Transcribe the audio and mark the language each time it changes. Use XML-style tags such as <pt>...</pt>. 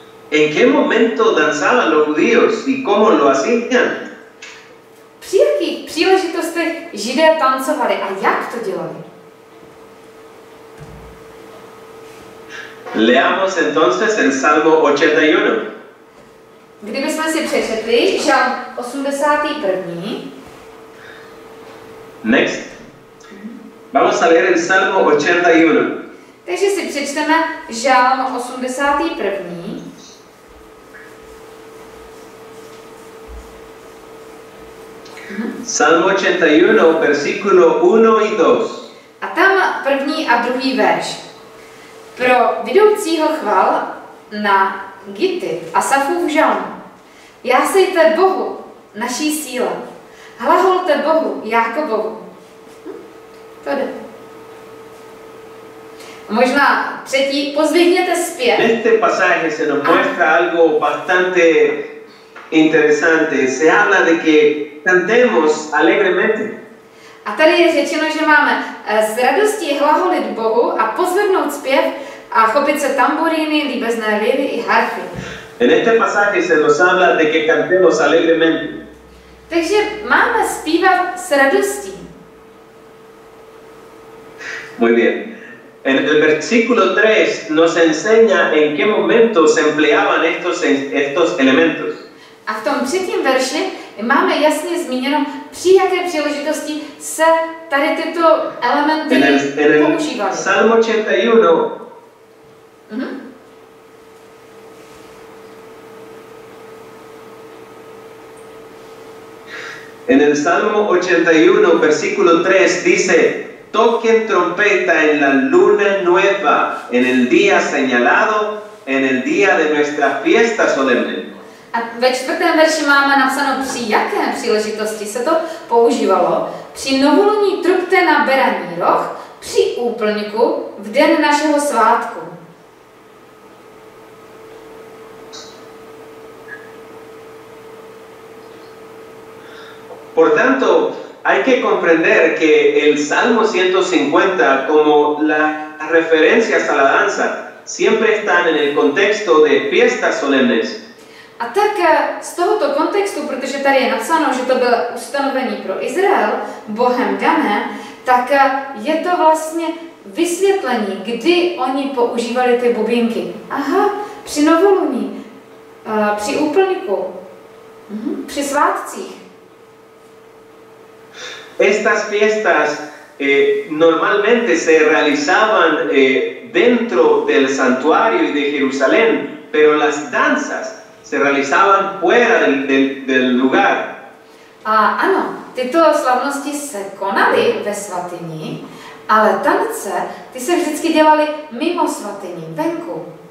<es>¿En qué momento danzaban los judíos y cómo lo hacían?</es> <cs>Při jakých příležitostech židé tancovali a jak to dělali?</cs> <es>Leamos entonces el Salmo 81.</es> <cs>Kdybychom si přečetli žalm 81.</cs> <es>Next. Vamos a leer el Salmo 81.</es> <cs>Takže si přečteme žalm 81.</cs> <es>Salmo 81, versículo 1 y 2.</es> <cs>A tam první a druhý verš. Pro vidoucího chval na gity a safův žalm. Jásejte Bohu, naší síle. Hlaholte Bohu, Jákobovu. To jde. Možná třetí, pozvihněte zpět.</cs> <es>Este pasaje se nos muestra algo bastante interesante. Se habla de que cantemos alegremente.</es> <cs>A tady je řečeno, že máme s radostí hlaholit Bohu a pozvednout zpěv a chopit se tamburíny, líbezné lyry i harfy.</cs> <es>En este pasaje se nos habla de que cantemos alegremente.</es> <cs>Takže máme zpívat s radostí.</cs> <es>Muy bien. En el versículo 3 nos enseña en qué momento se empleaban estos elementos.</es> <cs>A v tom třetím verši máme jasně zmíněno, při jaké příležitosti se tady tyto elementy používaly.</cs> <es>Salmo 81. Uh-huh. En el Salmo 81, versículo 3, dice: toquen trompeta en la luna nueva, en el día señalado, en el día de nuestra fiesta solemne.</es> <cs>A ve čtvrtém verši máme napsáno, při jaké příležitosti se to používalo. Při novoluní trubte na beraní roh, při úplňku, v den našeho svátku.</cs> <es>Por tanto, hay que comprender que el Salmo 150, como las referencias a la danza, siempre están en el contexto de fiestas solemnes.</es> <cs>A tak z tohoto kontextu, protože tady je napsáno, že to bylo ustanovení pro Izrael, Bohem dané, tak je to vlastně vysvětlení, kdy oni používali ty bubínky. Aha, při novoluní, při úplňku, při svátcích.</cs> <es>Estas fiestas normalmente se realizaban dentro del santuario y de Jerusalén, pero las danzas se realizaban fuera del lugar.</es> <cs>Ano, tyto slavnosti se konaly ve svatyni, ale tance, ty se vždycky dělaly mimo svatyni, venku.</cs>